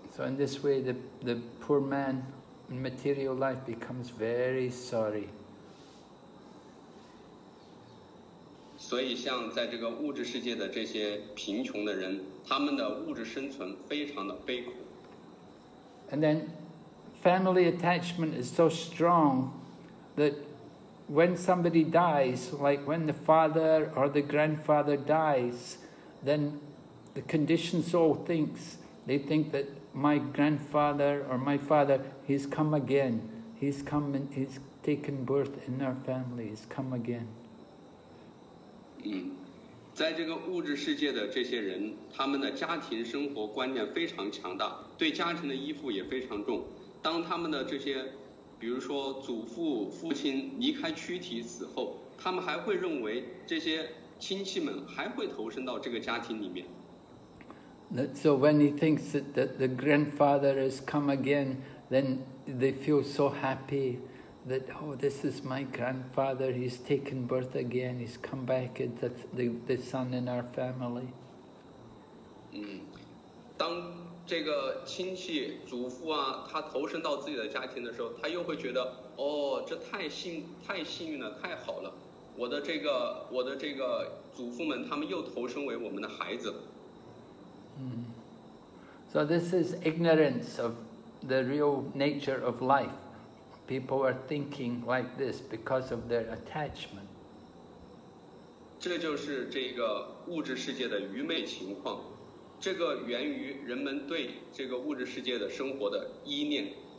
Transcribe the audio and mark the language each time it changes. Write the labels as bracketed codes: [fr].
[en] So in this way, the poor man in material life becomes very sorry. [zh] 所以像在这个物质世界的这些贫穷的人，他们的物质生存非常的悲苦。 [en] And then family attachment is so strong that. When somebody dies, like when the father or the grandfather dies, then the conditioned soul thinks, they think that my grandfather or my father, he's come again. He's come and he's taken birth in our family. He's come again. [zh] 在这个物质世界的这些人，他们的家庭生活观念非常强大，对家庭的依附也非常重。当他们的这些，比如说祖父、父亲离开躯体死后，他们还会认为这些亲戚们还会投身到这个家庭里面。 [en] So when he thinks that the grandfather has come again, then they feel so happy that, oh, this is my grandfather, he's taken birth again, he's come back as the son in our family. [zh] 当这个亲戚祖父啊，他投身到自己的家庭的时候，他又会觉得，哦，这太幸运了，太好了，我的这个祖父们，他们又投身为我们的孩子。 [en] So this is ignorance of the real nature of life. People are thinking like this because of their attachment. [zh] 这就是这个物质世界的愚昧情况，这个源于人们对这个物质世界的生活的依恋。